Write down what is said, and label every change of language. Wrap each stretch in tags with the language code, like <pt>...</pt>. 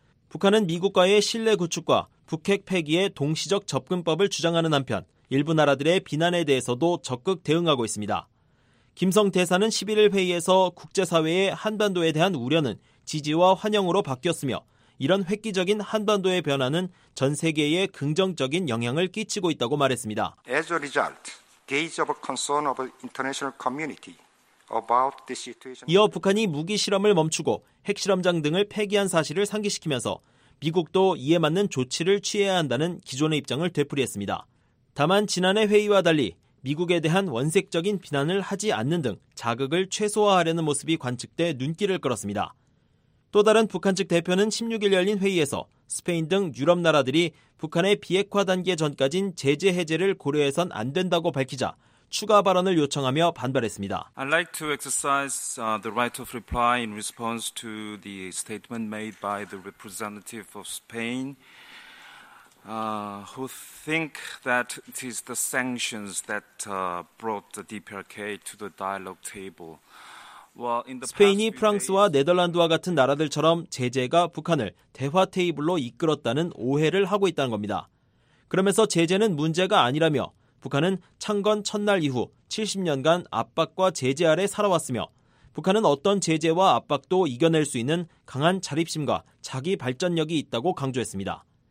<ko>북한은 미국과의 신뢰 구축과 북핵 폐기의 동시적 접근법을 주장하는 한편 일부 나라들의 비난에 대해서도 적극 대응하고 있습니다. 김성 대사는 11일 회의에서 국제사회의 한반도에 대한 우려는 지지와 환영으로 바뀌었으며 이런 획기적인 한반도의 변화는 전 세계에 긍정적인 영향을 끼치고 있다고 말했습니다.</ko> <en>As a result, gauge of a concern of the international community about the situation.</en> <ko>이어 북한이 무기 실험을 멈추고 핵실험장 등을 폐기한 사실을 상기시키면서 미국도 이에 맞는 조치를 취해야 한다는 기존의 입장을 되풀이했습니다. 다만 지난해 회의와 달리 미국에 대한 원색적인 비난을 하지 않는 등 자극을 최소화하려는 모습이 관측돼 눈길을 끌었습니다. 또 다른 북한 측 대표는 16일 열린 회의에서 스페인 등 유럽 나라들이 북한의 비핵화 단계 전까진 제재 해제를 고려해선 안 된다고 밝히자 추가 발언을 요청하며 반발했습니다.</ko> <en>I'd like to exercise the right of reply in response to the statement made by the representative of Spain who think that it is the sanctions that brought the DPRK to the dialogue table.</en> <ko>스페인이 프랑스와 네덜란드와 같은 나라들처럼 제재가 북한을 대화 테이블로 이끌었다는 오해를 하고 있다는 겁니다. 그러면서 제재는 문제가 아니라며 북한은 창건 첫날 이후 70년간 압박과 제재 아래 살아왔으며 북한은 어떤 제재와 압박도 이겨낼 수 있는 강한 자립심과 자기 발전력이 있다고 강조했습니다.</ko>